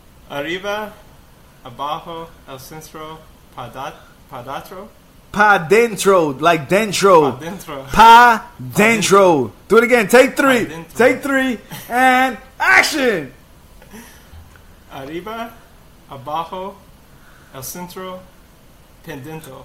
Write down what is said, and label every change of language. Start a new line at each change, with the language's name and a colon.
Spanish: Arriba, abajo, el centro, pa dentro. Pa dentro, like dentro. Pa dentro. Pa dentro.
English: Do it again. Take three. And action.
Spanish: Arriba, abajo, el centro, pendiente.